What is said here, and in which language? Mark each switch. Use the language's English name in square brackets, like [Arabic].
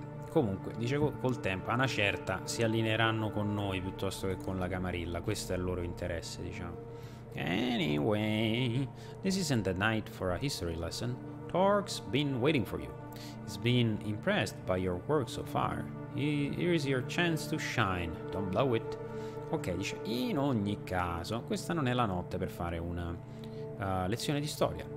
[Italian] Comunque, dicevo, col tempo, a una certa, si allineeranno con noi piuttosto che con la Camarilla. Questo è il loro interesse, diciamo. [English] Anyway, this isn't the night for a history lesson. Torque's been waiting for you. He's been impressed by your work so far. Here is your chance to shine. Don't blow it. [Italian] Ok, dice, in ogni caso, questa non è la notte per fare una lezione di storia.